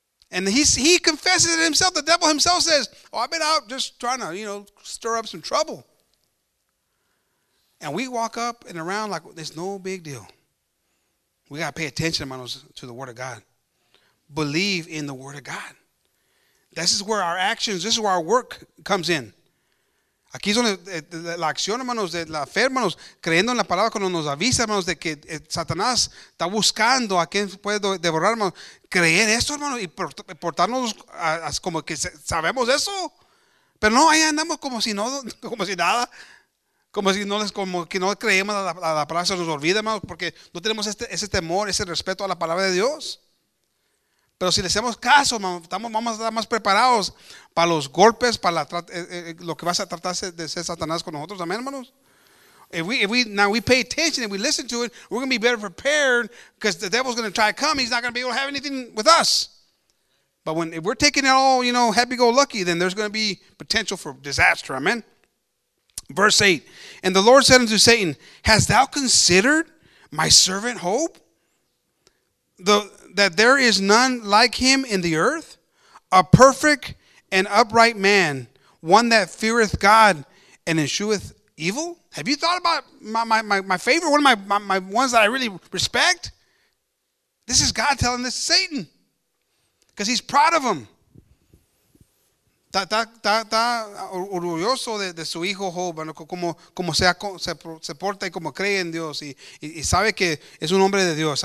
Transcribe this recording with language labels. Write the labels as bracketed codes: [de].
[en] And he confesses it himself. The devil himself says, oh, I've been out just trying to, you know, stir up some trouble. And we walk up and around like it's no big deal. We got to pay attention, hermanos, to the word of God. Believe in the word of God. This is where our actions, this is where our work comes in. [es] Aquí es donde la acción, hermanos, de la fe, hermanos, creyendo en la palabra cuando nos avisa, hermanos, de que Satanás está buscando a quien puede devorar, hermanos. Creer esto, hermanos, y portarnos como que sabemos eso. Pero no, ahí andamos como si nada. Como que no creemos a la palabra, se nos olvida, hermanos, porque no tenemos ese temor, ese respeto a la palabra de Dios. Pero si le hacemos caso, vamos a estar más preparados para los golpes, para lo que va a tratar de ser Satanás con nosotros. Amén, hermanos. [en] If we pay attention and we listen to it, we're going to be better prepared because the devil's going to try to come. He's not going to be able to have anything with us. But if we're taking it all, you know, happy-go-lucky, then there's going to be potential for disaster. Amen. Verse 8, and the Lord said unto Satan, hast thou considered my servant Hope, that there is none like him in the earth, a perfect and upright man, one that feareth God and escheweth evil? Have you thought about my favorite, one of my ones that I really respect? This is God telling this to Satan, because he's proud of him. [es] Está orgulloso de su hijo Job, como se porta y como cree en Dios y sabe que es un hombre de Dios.